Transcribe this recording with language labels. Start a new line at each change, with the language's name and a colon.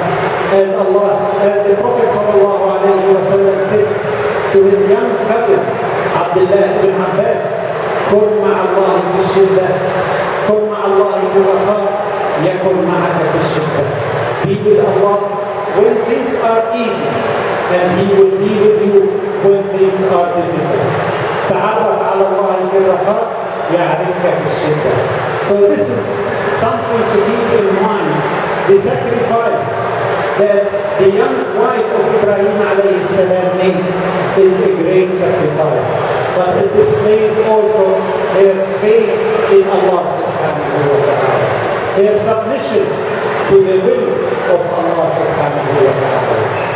English: As Allah, as the Prophet sallallahu alayhi wa sallam said to his young cousin Abdullah ibn Abbas,
Arabic: كُن مع الله في الشدة,
English: كُن مع الله في الرخاء, يَكُن معك في الشدة. Be with Allah when things are easy, and He will be with you when things are difficult.
Arabic: تعرف على الله في الرخاء يعرفك في الشدة.
English: So this is something to keep in mind, the sacrifice that the young wife of Ibrahim
Arabic: عليه السلام
English: made is a great sacrifice. But it displays also their faith in Allah subhanahu wa ta'ala, their submission to the will of Allah subhanahu wa ta'ala.